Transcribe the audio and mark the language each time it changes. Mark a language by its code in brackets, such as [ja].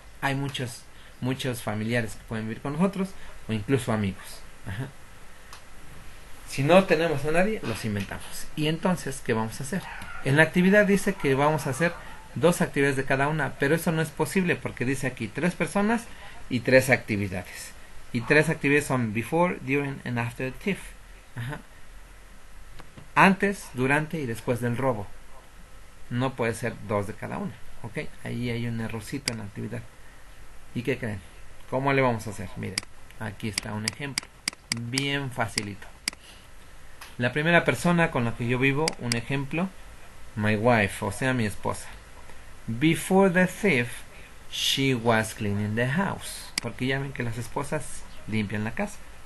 [es] Hay muchos, muchos familiares que pueden vivir con nosotros, o incluso amigos. Ajá. Si no tenemos a nadie, los inventamos. Y entonces, ¿qué vamos a hacer? En la actividad dice que vamos a hacer 2 actividades de cada una, pero eso no es posible porque dice aquí 3 personas y 3 actividades. Y 3 actividades son [en] before, during and after the thief. [es] Ajá. Antes, durante y después del robo. No puede ser 2 de cada una, ¿ok? Ahí hay un errorcito en la actividad. ¿Y qué creen? ¿Cómo le vamos a hacer? Miren, aquí está un ejemplo. Bien facilito. La primera persona con la que yo vivo, un ejemplo. [en] My wife, [es] o sea, mi esposa. [en] Before the thief, she was cleaning the house. [es] Porque ya ven que las esposas limpian la casa.